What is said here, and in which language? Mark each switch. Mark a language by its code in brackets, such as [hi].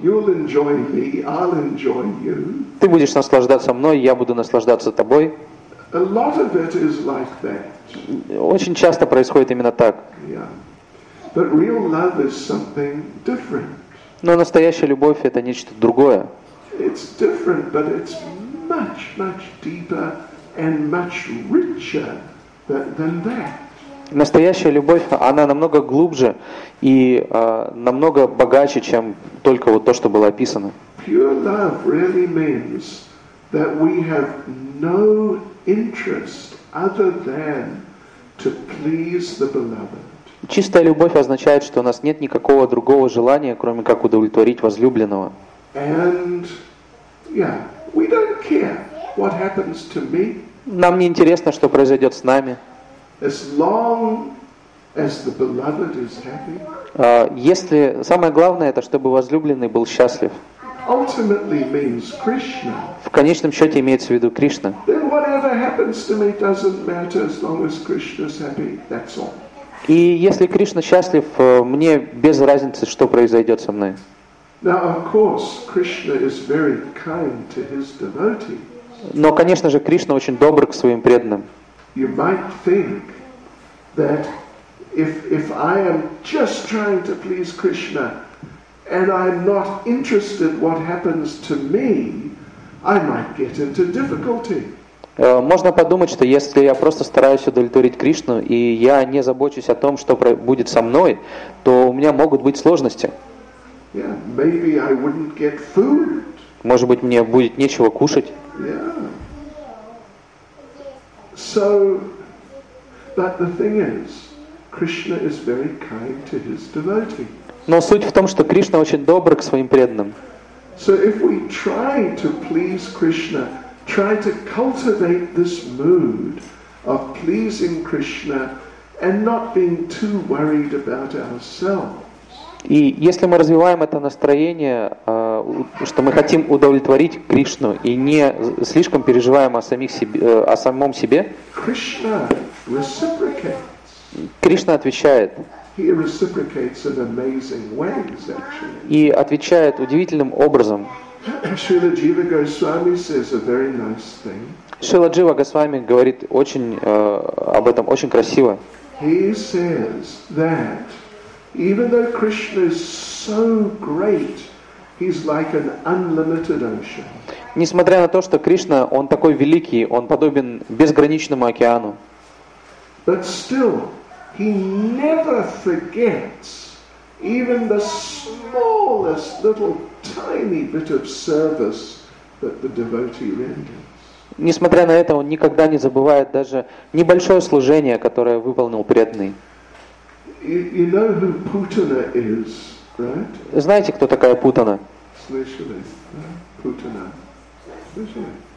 [en] You'll enjoy me, I'll enjoy you. [ru] Ты будешь наслаждаться мной, я буду наслаждаться тобой. [en] A lot of it is like that. [ru] Очень часто происходит именно так. [en] Yeah. But real love is something different. [ru] Но настоящая любовь это нечто другое. [en] It's different, but it's much, much deeper and much richer than that. [ru] Настоящая любовь, она намного глубже и намного богаче, чем только вот то, что было описано. [en] Pure love really means that we have no interest other than to please the beloved. [ru] Чистая любовь означает, что у нас нет никакого другого желания, кроме как удовлетворить возлюбленного. [en] And, yeah, we don't care what happens to me. [ru] Нам не интересно, что произойдет с нами. [en] As long as the beloved is happy. [ru] Если самое главное, это чтобы возлюбленный был счастлив. [en] Ultimately means Krishna. [ru] В конечном счете имеется в виду Кришна. [en] Then whatever happens to me doesn't matter as long as Krishna's happy. That's all. [ru] И если Кришна счастлив, мне без разницы, что произойдет со мной. [en] Now, of course, Krishna is very kind to his devotees. [ru] Но, конечно же, Кришна очень добр к своим преданным. [en] You might think that if I am just trying to please Krishna and I'm not interested what happens to me, I might get into difficulty. [ru] Можно подумать, что если я просто стараюсь удовлетворить Кришну, и я не забочусь о том, что будет со мной, то у меня могут быть сложности. [en] Yeah, maybe I wouldn't get food. [ru] Может быть, мне будет нечего кушать. [en] Yeah. So, but the thing is, Krishna is very kind to his devotees. [ru] Но суть в том, что Кришна очень добр к своим преданным. [en] So if we try to please Krishna, try to cultivate this mood of pleasing Krishna and not being too worried about ourselves. [ru] И если мы развиваем это настроение, что мы хотим удовлетворить Кришну и не слишком переживаем о самом себе, [en] Krishna reciprocates. [ru] Кришна отвечает. [en] He reciprocates in amazing ways, actually. [ru] И отвечает удивительным образом. [en] Srila Jiva Goswami says a very nice thing. [ru] Srila Jiva Goswami говорит очень об этом очень красиво. [en] He says that even though Krishna is so great, he's like an unlimited ocean. [ru] Несмотря на то, что Кришна, он такой великий, он подобен безграничному океану. [en] But still, he never forgets even the smallest little tiny bit of service that the devotee renders. [ru] Несмотря на это, он никогда не забывает даже небольшое служение, которое выполнил преданный. [en] You know who Путана is, right? [ru] Знаете, кто такая Путана? Слышали? Путана. Слышали?